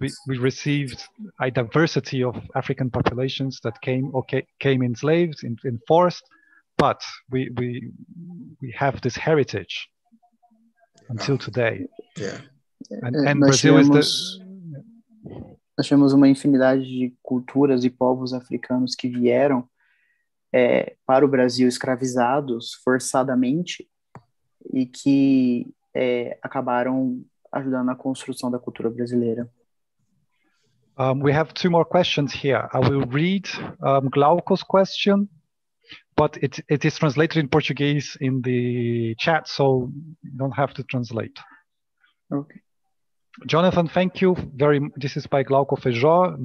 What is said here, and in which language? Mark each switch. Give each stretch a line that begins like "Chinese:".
English: We received a diversity of African populations that came enslaved, enforced, but we have this heritage until today. Yeah. And Brazil is the...
Portuguese: Nós temos uma infinidade de culturas e povos africanos que vieram para o Brasil escravizados forçadamente e que acabaram ajudando na construção da cultura brasileira.
English: We have two more questions here. I will read Glauco's question, but it is translated in Portuguese in the chat, so you don't have to translate. Okay. Jonathan, thank you very much. This is by Glauco Feijó.